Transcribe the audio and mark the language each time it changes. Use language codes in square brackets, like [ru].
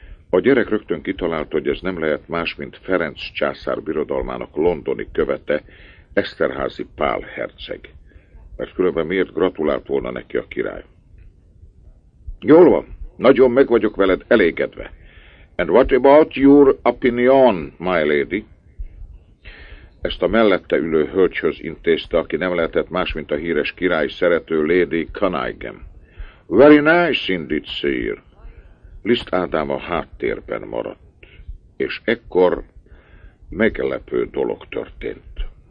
[hu] A gyerek rögtön kitalálta, hogy ez nem lehet más, mint Ferenc császár birodalmának londoni követe, Eszterházy Pál herceg. Mert különben miért gratulált volna neki a király? Jól van, nagyon meg vagyok veled elégedve. [en] And what about your opinion, my lady? [hu] Ezt a mellette ülő hölgyhöz intézte, aki nem lehetett más, mint a híres király szerető Lady Kanaigem. [en] Very nice indeed, sir. [hu] Liszt Ádám a háttérben maradt, és ekkor meglepő dolog történt.